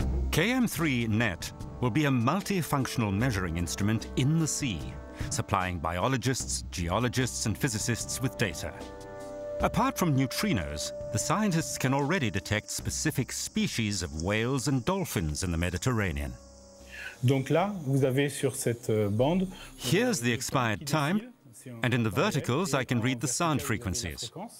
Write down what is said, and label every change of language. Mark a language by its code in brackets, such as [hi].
[en] KM3 net will be a multifunctional measuring instrument in the sea, supplying biologists, geologists, and physicists with data. Apart from neutrinos, the scientists can already detect specific species of whales and dolphins in the Mediterranean. [fr] Donc là, vous avez sur cette bande. [en] Here's the expired time, and in the verticals, I can read the sound frequencies.